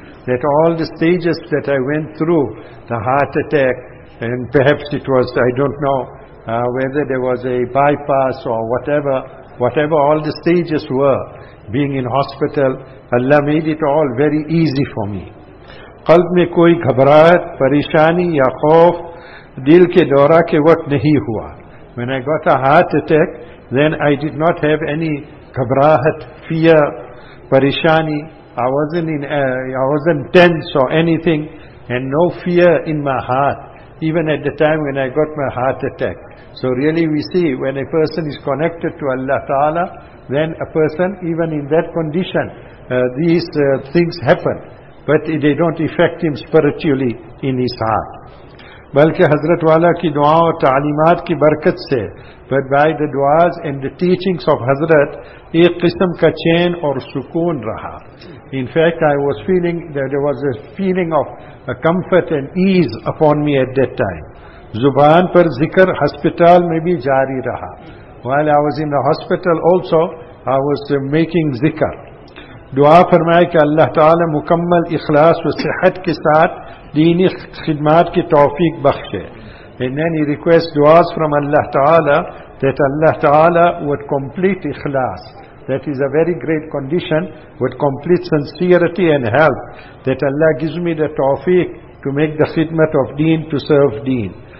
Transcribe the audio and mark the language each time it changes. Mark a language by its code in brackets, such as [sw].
[en] That all the stages that I went through, the heart attack, and perhaps it was, I don't know, whether there was a bypass or whatever all the stages were, being in hospital, Allah made it all very easy for me. [ur] قلب میں کوئی گھبرات پریشانی یا خوف دل کے دورہ کے وقت نہیں ہوا. [en] When I got a heart attack, then I did not have any گھبرات, fear, پریشانی. I wasn't tense or anything, and no fear in my heart, even at the time when I got my heart attack. So really we see, when a person is connected to Allah Ta'ala, then a person, even in that condition, these things happen. But they don't affect him spiritually in his heart. [ur] بلکہ حضرت والا کی دعا اور تعلیمات کی برکت سے, [en] but by the duas and the teachings of حضرت, [ur] ایک قسم کا چین اور سکون رہا. [en] In fact, I was feeling that there was a feeling of a comfort and ease upon me at that time. [ur] زبان پر ذکر ہسپتال میں بھی جاری رہا. [en] While I was in the hospital also, I was making ذکر. [ur] دعا فرمائے کہ اللہ تعالی مکمل اخلاص و صحت کے ساتھ دینی خدمات کی توفیق بخشے. [en] And then he requests duas from Allah Ta'ala, that Allah Ta'ala would complete ikhlas. That is a very great condition, with complete sincerity and help. That Allah gives me the tawfiq to make the khidmat of deen, to serve deen.